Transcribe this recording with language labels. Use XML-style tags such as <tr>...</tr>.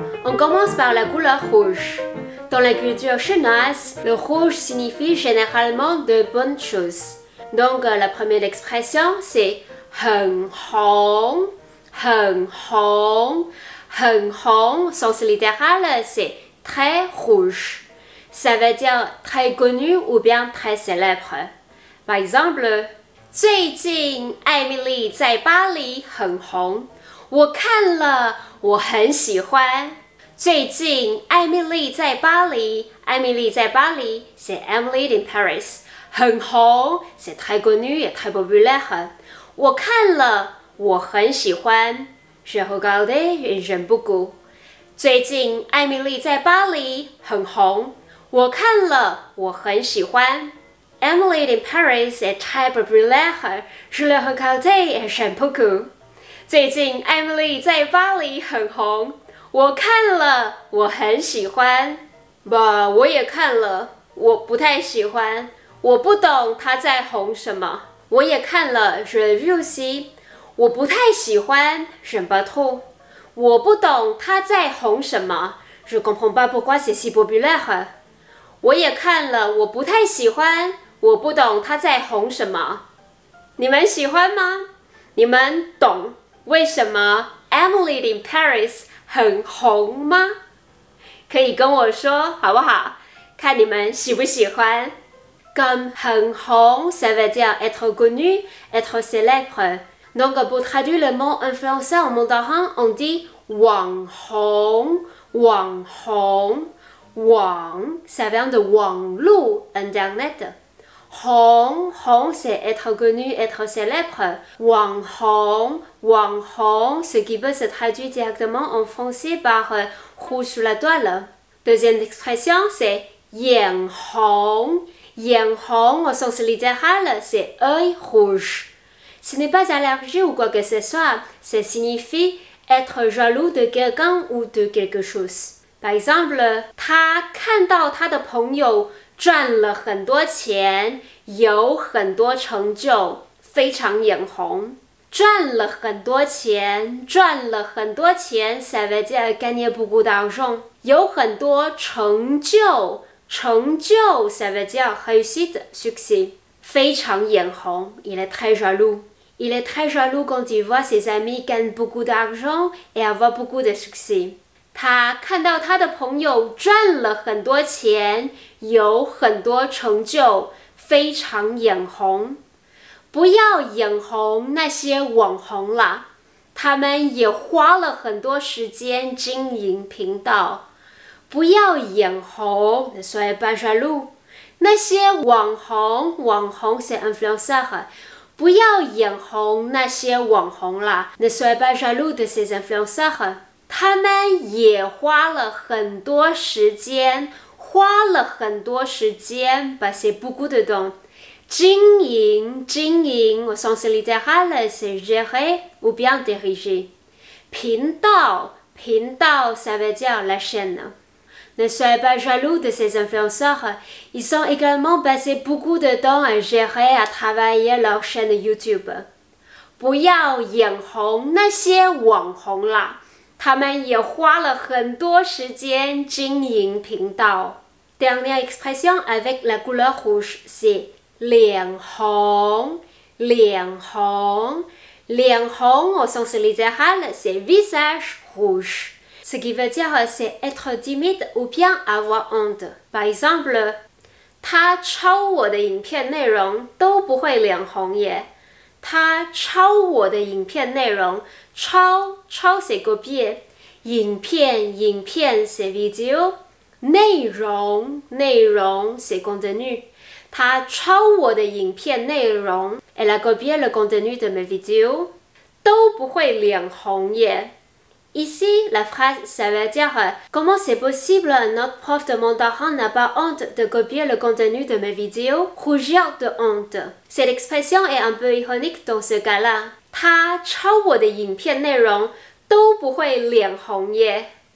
<fr>On commence par la couleur rouge. Dans la culture chinoise, le rouge signifie généralement de bonnes choses. Donc la première expression c'est Heng Hong, Heng Hong. Heng Hong, sens littéral, c'est très rouge. Ça veut dire très connu ou bien très célèbre. Par exemple,</fr> <zh>最近艾米丽在巴黎很红，我看了，我很喜欢。最近艾米丽在巴黎，艾米丽在巴黎</zh> <fr>，c'est Emily in Paris，</fr> <zh>很红</zh> <fr>，c'est très connu et très populaire。</fr> <zh>我看了，我很喜欢。</zh> <fr>J'ai regardé et j'aime beaucoup.</fr> <zh>最近艾米丽在巴黎很红，我看了，我很喜欢。</zh> <fr>Emily in Paris est très populaire. Je l'ai regardé et j'aime beaucoup.</fr> <zh>最近艾米丽在巴黎很红，我看了，我很喜欢。</zh> <fr>Bah,</fr> <zh>我也看了，我不太喜欢。我不懂她在红什么。我也看了</zh> <fr>，je l'ai vu aussi。</fr> <zh>我不太喜欢</zh> <fr>j'aime pas trop.</fr> <zh>我不懂她在红什么</zh> <fr>，je comprends pas pourquoi c'est si populaire.</fr> <zh>我也看了，我不太喜欢。我不懂她在红什么。你们喜欢吗？你们懂为什么 Emily in Paris 很红吗？可以跟我说好不好？看你们喜不喜欢。</zh> <fr>Comme</fr> <zh>很红</zh> <fr>，ça veut dire être connu, être célèbre. Donc, pour traduire le mot influenceur en mandarin, on dit Wang Hong, Wang Hong, Wang, ça vient de Wang Lu, Internet. Hong, Hong, c'est être connu, être célèbre. Wang Hong, Wang Hong, ce qui peut se traduire directement en français par rouge sous la toile. Deuxième expression, c'est Yen Hong. Yen Hong, au sens littéral, c'est œil rouge. Ce n'est pas allergie ou quoi que ce soit, ça signifie être jaloux de quelqu'un ou de quelque chose. Par exemple,</fr> <zh>他看到他的朋友赚了很多钱，有很多成就，非常眼红。赚了很多钱，赚了很多钱，</zh> <fr>ça veut dire gagner beaucoup d'argent.</fr> <zh>有很多成就，成就</zh> <fr>ça veut dire réussite, succès.</fr> <zh>非常眼红</zh> <fr>il est très jaloux. Il est très jaloux quand il voit ses amis gagner beaucoup d'argent et avoir beaucoup de succès.</fr> <zh>他看到他的朋友赚了很多钱，有很多成就，非常眼红。不要眼红那些网红了，他们也花了很多时间经营频道。不要眼红</zh> <fr>ne soyez pas jaloux.</fr> <zh>那些网红，网红</zh> <fr>c'est influenceur.</fr> <zh>不要眼红那些网红啦。</zh> <fr>Ne soyez pas jaloux de ces influenceurs.</fr> <zh>他们也花了很多时间，花了很多时间</zh> <fr>passer beaucoup de temps.</fr> <zh>经营，经营</zh> <fr>au sens littéral, c'est gérer ou bien diriger.</fr> <zh>频道，频道</zh> <fr>ça veut dire la chaîne. Ne soyez pas jaloux de ces influenceurs. Ils ont également passé beaucoup de temps à gérer, à travailler leur chaîne YouTube.</fr> <zh>不要眼红那些网红啦，他们也花了很多时间经营频道。</zh> <fr>Dernière expression avec la couleur rouge, c'est</fr> <zh>脸红，脸红，脸红</zh> <fr>au sens littéral, c'est visage rouge. Ce qui veut dire, c'est être timide ou bien avoir honte. Par exemple,</fr> <zh>他抄我的影片内容都不会脸红耶。他抄我的影片内容，抄抄</zh> <fr>c'est copier，</fr> <zh>影片影片</zh> <fr>c'est vidéo，</fr> <zh>内容内容</zh> <fr>c'est contenu。</fr> <zh>她抄我的影片内容</zh> <fr>Elle a copié le contenu de mes vidéos</fr> <zh>都不会脸红耶</zh> <fr>Ici, la phrase ça veut dire Comment c'est possible notre prof de mandarin n'a pas honte de copier le contenu de mes vidéos Rougir de honte Cette expression est un peu ironique dans ce cas-là</fr> <zh>她抄我的影片内容都不会脸红耶</zh>